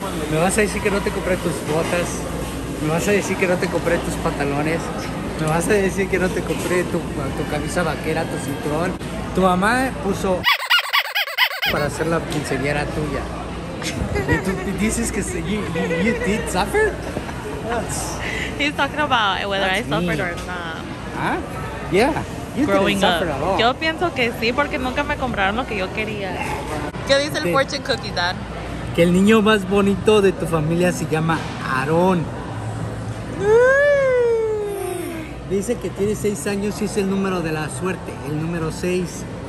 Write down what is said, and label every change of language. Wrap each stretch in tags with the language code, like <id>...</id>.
<es>Me vas a decir que no te compré tus botas. Me vas a decir que no te compré tus pantalones. Me vas a decir que no te compré tu camisa vaquera, tu cinturón. Tu mamá puso para hacer la quinceañera tuya. Y tú dices que</es> <en>you did suffer. He's talking about whether I suffered or not. Ah, yeah. Growing up.</en> <es>Yo pienso que sí, porque nunca me compraron lo que yo quería. ¿Qué dice el fortune cookie, Dad? Que el niño más bonito de tu familia se llama Aarón. Dice que tiene 6 años y es el número de la suerte, el número 6.</es>